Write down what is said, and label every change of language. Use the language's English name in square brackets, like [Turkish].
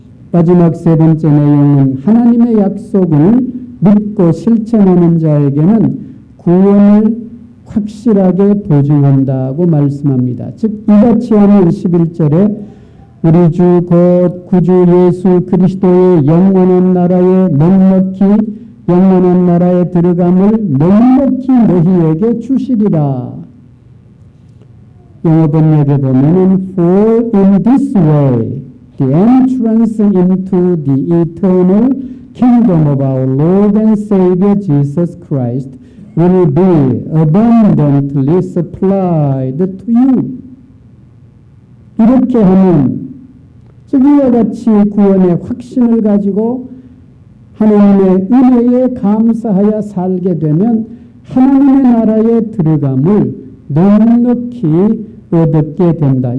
[Korean] 마지막 세 번째 내용은 하나님의 약속을 믿고 실천하는 자에게는 구원을 확실하게 보증한다고 말씀합니다. 즉 이같이 하는 11절에 우리 주 곧 구주 예수 그리스도의 영원한 나라에 넉넉히 영원한 나라에 들어감을 넉넉히 너희에게 주시리라. 영어 번역에 보면은 [English] For in this way the entrance into the eternal kingdom of our Lord and Savior Jesus Christ will be abundantly supplied to you. [Korean] 이렇게 하면 즉 이와 같이 구원의 확신을 가지고 하나님의 은혜에 감사하여 살게 되면 하나님의 나라에 들어감을 넉넉히 얻게 된다.